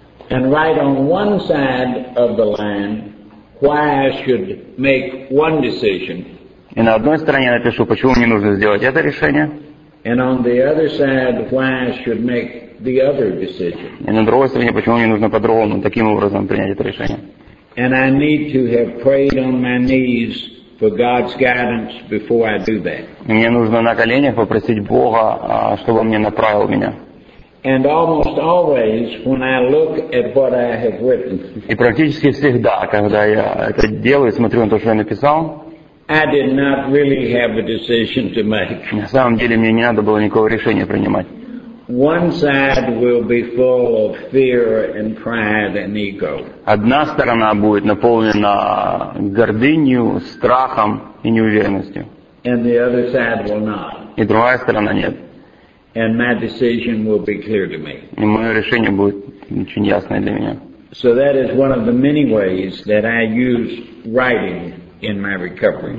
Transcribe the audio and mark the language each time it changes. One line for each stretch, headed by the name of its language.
English: And write on one side of the line why I should make one decision.
Russian: И на одной стороне напишу, почему мне нужно сделать это решение.
English: And on the other side, why I should make the other decision.
Russian: И на другой стороне, почему мне нужно по-другому, таким образом принять это решение.
English: And I need to have prayed on my knees for God's guidance before I do that.
Russian: Мне нужно на коленях попросить Бога, чтобы он мне направил меня.
English: And almost always, when I look at what I have written.
Russian: И практически всегда, когда я это делаю, смотрю на то, что я написал.
English: I did not really have a decision to make.
Russian: На самом деле мне не надо было никакого решения принимать.
English: One side will be full of fear and pride and ego.
Russian: Одна сторона будет наполнена гордынью, страхом и неуверенностью.
English: And the other side will not.
Russian: И другая сторона нет.
English: And my decision will be clear to me.
Russian: И мое решение будет очень ясное для меня.
English: So that is one of the many ways that I use writing in my recovery.